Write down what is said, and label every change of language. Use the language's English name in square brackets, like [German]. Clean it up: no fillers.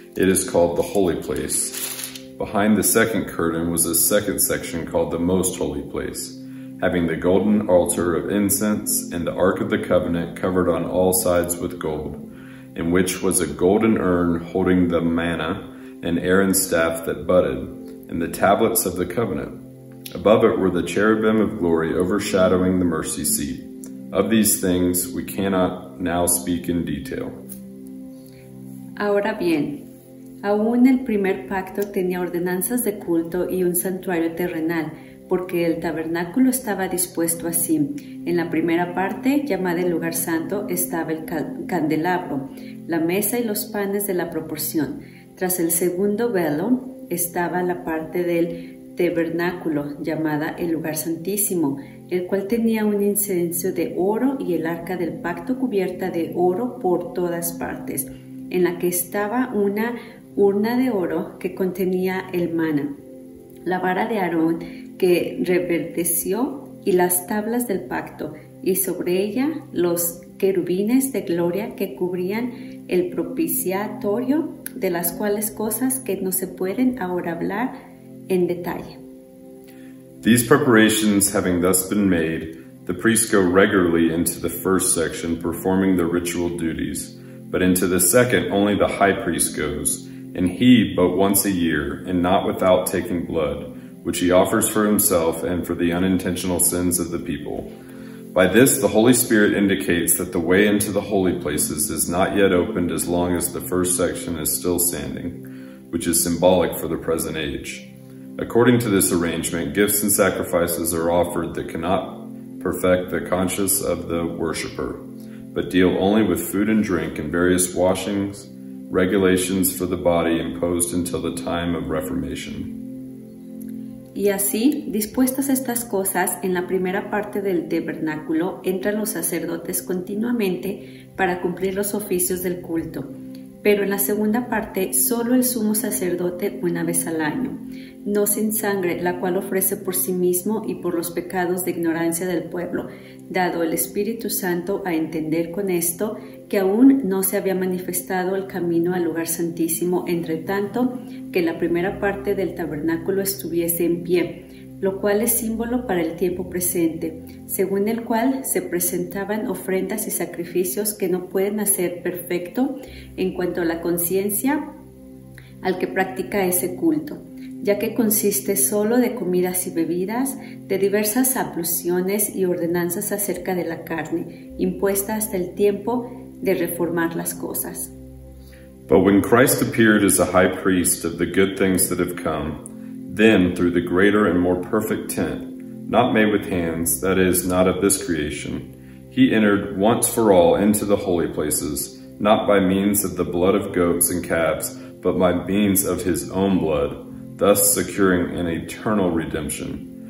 [English] It is called the holy place. Behind the second curtain was a second section called the Most Holy Place, having the golden altar of incense and the Ark of the Covenant covered on all sides with gold, in which was a golden urn holding the manna and Aaron's staff that budded, and the tablets of the covenant. Above it were the cherubim of glory overshadowing the mercy seat. Of these things we cannot now speak in detail. [Spanish] Ahora bien. Aún el primer pacto tenía ordenanzas de culto y un santuario terrenal, porque el tabernáculo estaba dispuesto así. En la primera parte, llamada el lugar santo, estaba el candelabro, la mesa y los panes de la proporción. Tras el segundo velo, estaba la parte del tabernáculo, llamada el lugar santísimo, el cual tenía un incienso de oro y el arca del pacto cubierta de oro por todas partes, en la que estaba una urna de oro que contenía el maná, la vara de Aarón que reverdeció y las tablas del pacto, y sobre ella los querubines de gloria que cubrían el propiciatorio, de las cuales cosas que no se pueden ahora hablar en detalle. [English] These preparations having thus been made, the priests go regularly into the first section performing their ritual duties, but into the second only the high priest goes, and he but once a year, and not without taking blood, which he offers for himself and for the unintentional sins of the people. By this, the Holy Spirit indicates that the way into the holy places is not yet opened as long as the first section is still standing, which is symbolic for the present age. According to this arrangement, gifts and sacrifices are offered that cannot perfect the conscience of the worshiper, but deal only with food and drink and various washings, regulations for the body imposed until the time of reformation. [Spanish] Y así, dispuestas estas cosas, en la primera parte del tabernáculo entran los sacerdotes continuamente para cumplir los oficios del culto. Pero en la segunda parte, solo el sumo sacerdote una vez al año, no sin sangre, la cual ofrece por sí mismo y por los pecados de ignorancia del pueblo, dado el Espíritu Santo a entender con esto que aún no se había manifestado el camino al lugar santísimo, entre tanto que la primera parte del tabernáculo estuviese en pie, lo cual es símbolo para el tiempo presente, según el cual se presentaban ofrendas y sacrificios que no pueden hacer perfecto en cuanto a la conciencia al que practica ese culto, ya que consiste solo de comidas y bebidas, de diversas abluciones y ordenanzas acerca de la carne, impuesta hasta el tiempo de reformar las cosas. [English] But when Christ appeared as a high priest of the good things that have come, then through the greater and more perfect tent, not made with hands, that is, not of this creation, he entered once for all into the holy places, not by means of the blood of goats and calves, but by means of his own blood, thus securing an eternal redemption.